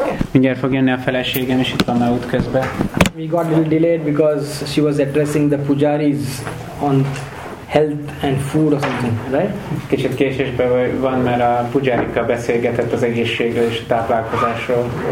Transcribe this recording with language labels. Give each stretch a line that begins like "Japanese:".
Hungarian: Mindjárt fog jönni a feleségem, és itt van a út közben.
English: We got a little delayed because she was addressing the pujaris on health and food or something, right?
Hungarian: Kicsit késésben van, mert a pujarika beszélgetett az egészségről és a táplálkozásról.